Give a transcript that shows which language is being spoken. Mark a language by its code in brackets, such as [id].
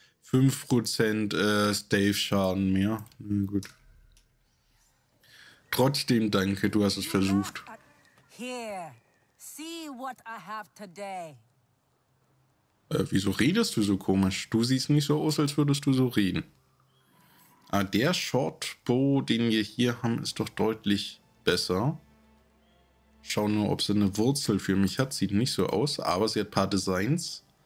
[de] 5% Stealth-Schaden mehr. Na gut. Trotzdem danke, du hast es versucht. [en] Here, see what I have today. [de] Wieso redest du so komisch? Du siehst nicht so aus, als würdest du so reden. Ah, der Shortbow, den wir hier haben, ist doch deutlich besser. Schau nur, ob sie eine Wurzel für mich hat. Sieht nicht so aus, aber sie hat ein paar Designs.